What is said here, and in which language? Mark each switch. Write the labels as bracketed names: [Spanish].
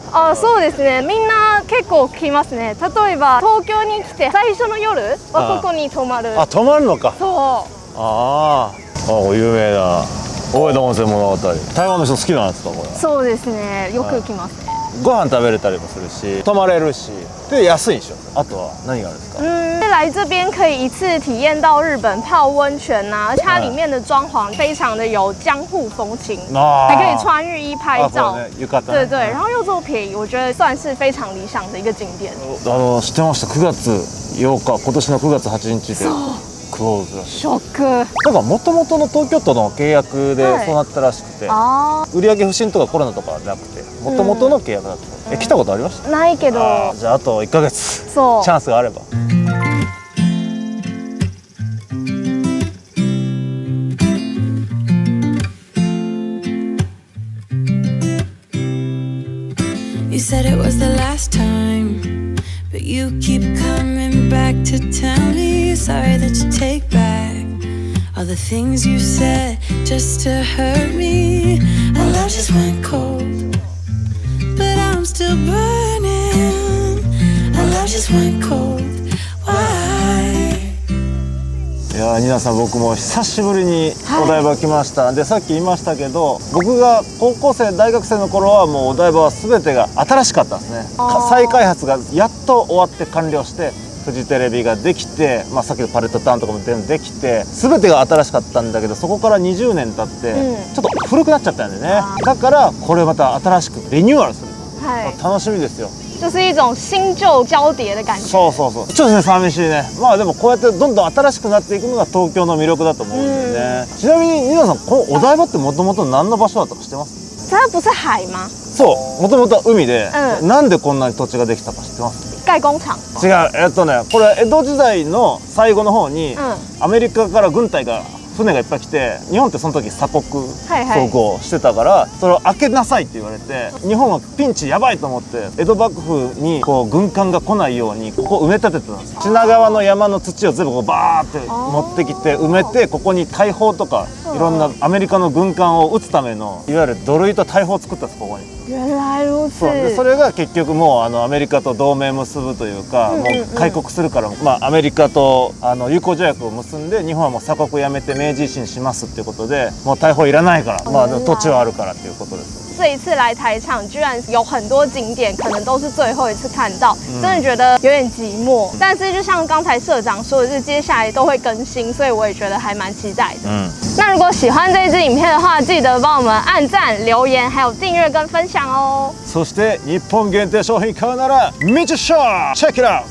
[Japanese] あ、そうですね、みんな結構来ますね。例えば東京に来て最初の夜はここに泊まる。あ、泊まるのか。そう、ああ、有名な大江戸温泉物語。台湾の人好きなんですか、これ？そうですね、よく来ますね。ご飯食べれたりもするし、泊まれるし、で安いんでしょ。あとは何があるんですか？ [Chinese] 来这边可以一次体验到日本泡温泉呐、啊，它里面的装潢非常的有江户风情，还可以穿浴衣拍照，对对，然后又这么便宜，我觉得算是非常理想的一个景点。 [Japanese] あの知ってました。9月8日、今年の9月8日で。クローズ。ショック。なんか元々の東京都の契約でそうなったらしくて、はい、売上不振とかコロナとかなくて元々の契約だった。え、来たことありました？ないけど。じゃああと1ヶ月。そう。チャンスがあれば。 [English] You said it was the last time, but you keep coming back to tell me sorry that you take back all the things you said just to hurt me. My love just went cold, but I'm still burning. My love just went cold. Why? [Japanese] いや、ニナさん、僕も久しぶりにお台場来ました、はい、でさっき言いましたけど、僕が高校生大学生の頃はもうお台場は全てが新しかったんですね。再開発がやっと終わって完了して、フジテレビができて、まあ、さっきのパレットタウンとかも全部できて、全てが新しかったんだけど、そこから20年経ってちょっと古くなっちゃったんでね、だからこれまた新しくリニューアルする、はい、楽しみですよ。 [Chinese] 就是一种新旧交叠的感觉。 [Japanese] そうそうそう。ちょっとね、寂しいね。まあでもこうやってどんどん新しくなっていくのが東京の魅力だと思うんでね。ちなみにニノさん、このお台場ってもともと何の場所だったか知ってます？ [Chinese] 它不是海吗？ [Japanese] そう、もともとは海で、なんでこんなに土地ができたか知ってます？ [Chinese] 盖工厂。 [Japanese] 違う。ね、これ江戸時代の最後の方にアメリカから軍隊が船がいっぱい来て、日本ってその時鎖国走行してたから、はいはい、それを開けなさいって言われて、日本はピンチやばいと思って江戸幕府にこう軍艦が来ないようにここ埋め立ててたんです。品川の山の土を全部こうバーって持ってきて埋めて、ここに大砲とかいろんなアメリカの軍艦を撃つためのいわゆる土塁と大砲を作ったんです、ここに。 [Chinese] 原来如此。 [Japanese] それが結局もうあのアメリカと同盟結ぶというか、もう開国するから、まあアメリカとあの友好条約を結んで、日本はもう鎖国やめて明治維新しますっていうことで、もう大砲いらないから、まあ土地はあるからっていうことです。 [Chinese] 这一次来台场，居然有很多景点，可能都是最后一次看到，真的觉得有点寂寞。但是就像刚才社长说的，是接下来都会更新，所以我也觉得还蛮期待的。那如果喜欢这一支影片的话，记得帮我们按赞、留言，还有订阅跟分享哦。 [Japanese] そして日本限定商品買うならめっちゃショー、チェックイット。